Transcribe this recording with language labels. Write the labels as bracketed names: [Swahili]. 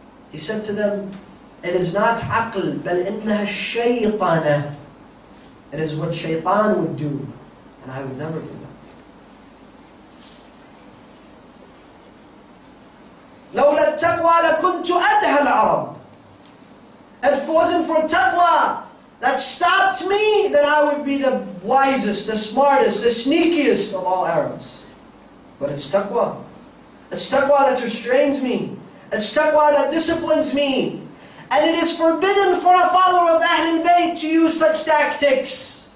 [English] He said to them, it is not aql, [Arabic] بل إنها الشيطانة. [English] It is what shaytan would do. And I would never do that. [Arabic] لولا التقوى لكنت أدهى العرب. [English] If it wasn't for taqwa that stopped me, then I would be the wisest, the smartest, the sneakiest of all Arabs. But it's taqwa. It's taqwa that restrains me. It's taqwa that disciplines me. And it is forbidden for a follower of Ahlul Bayt to use such tactics.